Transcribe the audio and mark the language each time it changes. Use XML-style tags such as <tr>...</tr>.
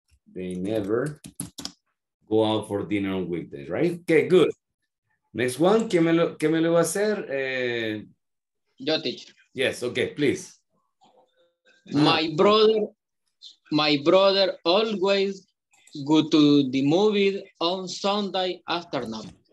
<en>They never go out for dinner on weekdays, right? Okay, good. Next one,</en> <es>¿qué me lo va a hacer?</es> <en>Yo, teacher. Yes, okay, please. My brother always go to the movie on Sunday afternoon.</en>